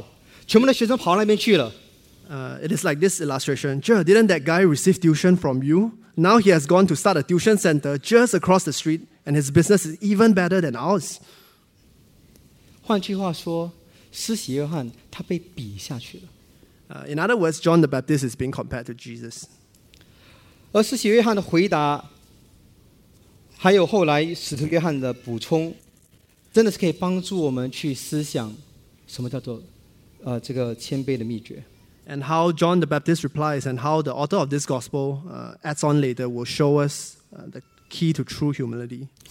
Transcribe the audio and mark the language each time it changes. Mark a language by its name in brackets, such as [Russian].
[Chinese] 老师，你看，那个以前来我们这边上课的，对不对？我们是个补习中心。老师，那个以前来我们这边补习中心上课的，他现在到了对面开了另外一间补习中心，但是他现在生意比我们好，全部的学生跑到那边去了。 [English] It is like this illustration. Sure, didn't that guy receive tuition from you? Now he has gone to start a tuition center just across the street, and his business is even better than ours. [Chinese] 换句话说，施洗约翰他被比下去了。 [English] In other words, John the Baptist is being compared to Jesus. [Chinese] 而施洗约翰的回答，还有后来使徒约翰的补充，真的是可以帮助我们去思想什么叫做这个谦卑的秘诀。 [English] And how John the Baptist replies and how the author of this gospel adds on later will show us the key to true humility.